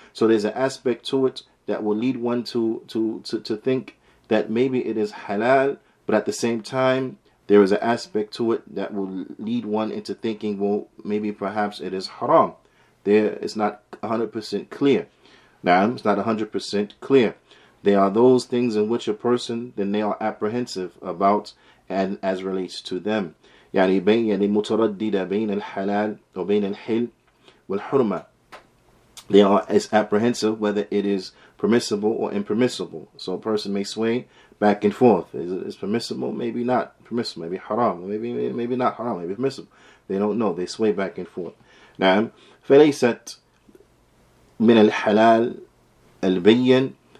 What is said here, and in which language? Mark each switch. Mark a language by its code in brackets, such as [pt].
[en] So there's an aspect to it that will lead one to think that maybe it is halal, but at the same time, there is an aspect to it that will lead one into thinking, well, maybe perhaps it is haram. There, it's not 100% clear. Naam, it's not 100% clear. There are those things in which a person, then they are apprehensive about, and as relates to them. [ar] يعني بين, يعني متردد بين الحلال أو بين الحل والحرمة. [en] They are as apprehensive whether it is permissible or impermissible. So a person may sway back and forth. Is it permissible? Maybe not permissible. Maybe haram. Maybe not haram. Maybe permissible. They don't know. They sway back and forth. [ar] نعم. فليست من الحلال البين.